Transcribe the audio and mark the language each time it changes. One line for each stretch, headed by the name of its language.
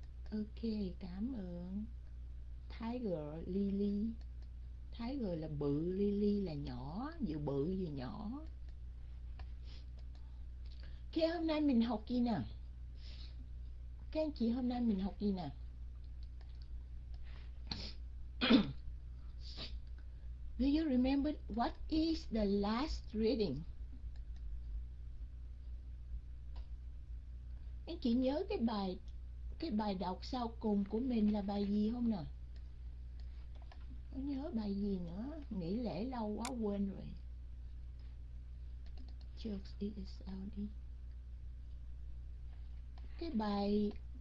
Vietnamese: Ok, cảm ơn. Tiger Lily. Tiger là bự, Lily là nhỏ, vừa bự vừa nhỏ. Ok, hôm nay mình học gì nè? Các anh chị hôm nay mình học gì nè?
English: Do you remember what is the last reading?
Vietnamese: Anh chị nhớ cái bài đọc sau cùng của mình là bài gì không nè? Có nhớ bài gì nữa? Nghỉ lễ lâu quá quên rồi.